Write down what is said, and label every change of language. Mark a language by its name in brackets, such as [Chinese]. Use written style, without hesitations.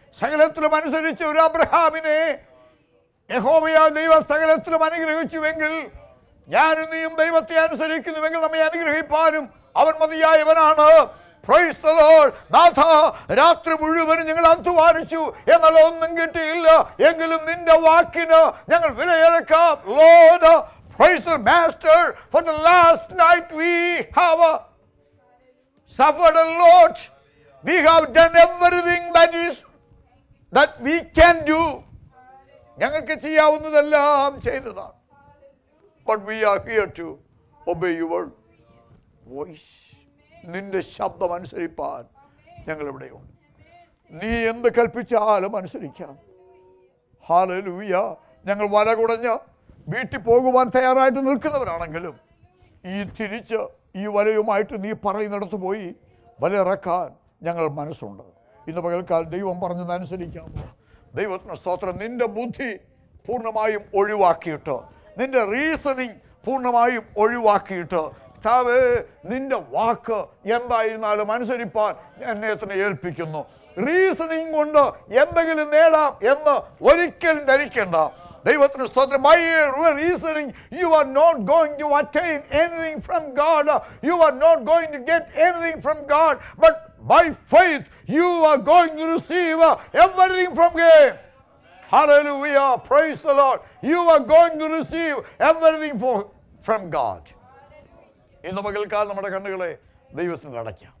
[Malayalam] സകലത്തിലും അനുസരിച്ച് ഒരു അബ്രഹാമിനെ യഹോവയായ ദൈവം സകലത്തിലും അനുഗ്രഹിച്ചുവെങ്കിൽ, ഞാനും നീയും ദൈവത്തെ അനുസരിക്കുന്നുവെങ്കിൽ നമ്മെ അനുഗ്രഹിപ്പാനും അവൻ മതിയായവനാണ്. [English] Praise the Lord. [Malayalam] നാഥ, രാത്രി മുഴുവനും ഞങ്ങൾ അധ്വാനിച്ചു എന്നാൽ ഒന്നും കിട്ടിയില്ല, എങ്കിലും നിന്റെ വാക്കിന് ഞങ്ങൾ വിലയിറക്കാം. [English] Lord, praise the master for the last night we have suffered a lot. We have done everything that is that we can do. [Malayalam] ഞങ്ങൾക്ക് ചെയ്യാവുന്നതെല്ലാം ചെയ്തതാണ്. [English] But we are here to obey your voice. [Malayalam] നിന്റെ ശബ്ദം അനുസരിപ്പാൻ ഞങ്ങൾ ഇവിടെയുണ്ട്. നീ എന്ത് കൽപ്പിച്ചാലും അനുസരിക്കാം. Hallelujah. ഞങ്ങൾ വല കുടഞ്ഞ് വീട്ടിൽ പോകുവാൻ തയ്യാറായിട്ട് നിൽക്കുന്നവരാണെങ്കിലും ഈ തിരിച്ച് ഈ വലയുമായിട്ട് നീ പറയുന്നിടത്ത് പോയി വലയിറക്കാൻ ഞങ്ങൾ മനസ്സുണ്ട്. ഇന്ന് പകൽക്കാൽ ദൈവം പറഞ്ഞത് അനുസരിക്കാം. ദൈവത്തിന് സ്തോത്രം. നിന്റെ ബുദ്ധി പൂർണ്ണമായും ഒഴിവാക്കിയിട്ട്, നിന്റെ റീസണിങ് പൂർണ്ണമായും ഒഴിവാക്കിയിട്ട്, കർത്താവേ നിന്റെ വാക്ക് എന്തായിരുന്നാലും അനുസരിപ്പാൻ എന്നെ തന്നെ ഏൽപ്പിക്കുന്നു. റീസണിങ് കൊണ്ട് എന്തെങ്കിലും നേടാം എന്ന് ഒരിക്കലും ധരിക്കണ്ട. ദൈവത്തിന് സ്തോത്രം. [English] By your reasoning you are not going to attain anything from God. You are not going to get anything from God. But by faith you are going to receive everything from him. Hallelujah, praise the Lord. You are going to receive everything from God. [Malayalam] ഇന്ന് പകൽക്കാലം നമ്മുടെ കണ്ണുകളെ ദൈവത്തിൽ അടയ്ക്കാം.